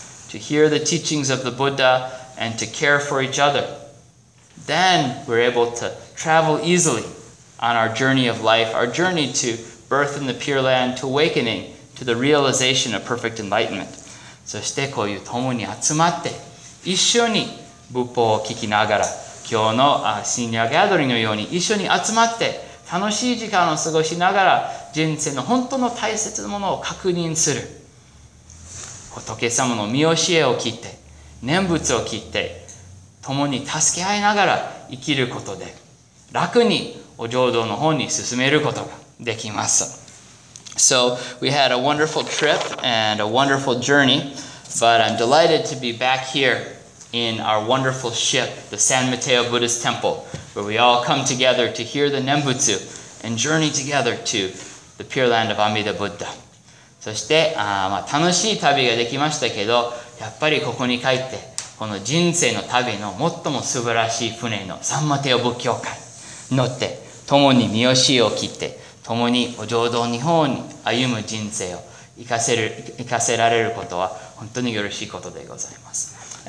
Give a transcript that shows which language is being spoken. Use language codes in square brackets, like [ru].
[en] To hear the teachings of the Buddha and to care for each other. Then we're able to travel easily on our journey of life, our journey to birth in the Pure Land, to awakening, to the realization of perfect enlightenment. [ja] そしてこういう共に集まって、一緒に仏法を聞きながら、今日のシニアギャドリングのように一緒に集まって、楽しい時間を過ごしながら、人生の本当の大切なものを確認する。仏様の御教えを聞いて、念仏を聞いて、共に助け合いながら生きることで、楽にお浄土の方に進めることができます。 [en] So we had a wonderful trip and a wonderful journey, but I'm delighted to be back here in our wonderful ship, the San Mateo Buddhist Temple, where we all come together to hear the Nembutsu and journey together to the Pure Land of Amida Buddha. [ja] そして、まあ、楽しい旅ができましたけど、やっぱりここに帰って、この人生の旅の最も素晴らしい船のサンマテオ仏教会に乗って、共に三好を切って、共にお浄土日本に歩む人生を生かせられることは本当に嬉しいことでございます。